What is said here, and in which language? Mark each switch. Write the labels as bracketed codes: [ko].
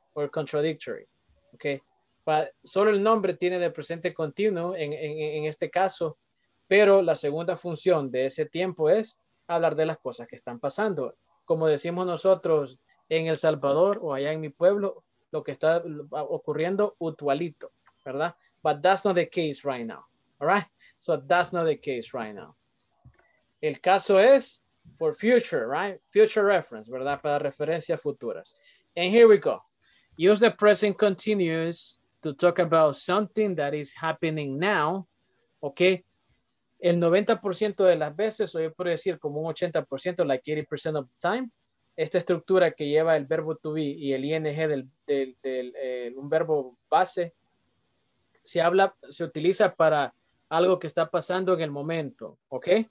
[es] Or contradictory, okay? But solo el nombre tiene de presente continuo en este caso, pero la segunda función de ese tiempo es hablar de las cosas que están pasando. Como decimos nosotros en El Salvador o allá en mi pueblo, lo que está ocurriendo, utualito, ¿verdad? [en] But that's not the case right now, all right? So that's not the case right now. El caso es for future, right? Future reference, ¿verdad? Para referencias futuras. And here we go. Use the present continuous to talk about something that is happening now, okay? [es] El 90% de las veces, o yo puedo decir como un 80%, like 80% of the time, esta estructura que lleva el verbo to be y el ing del un verbo base, se utiliza para algo que está pasando en el momento, ¿ok?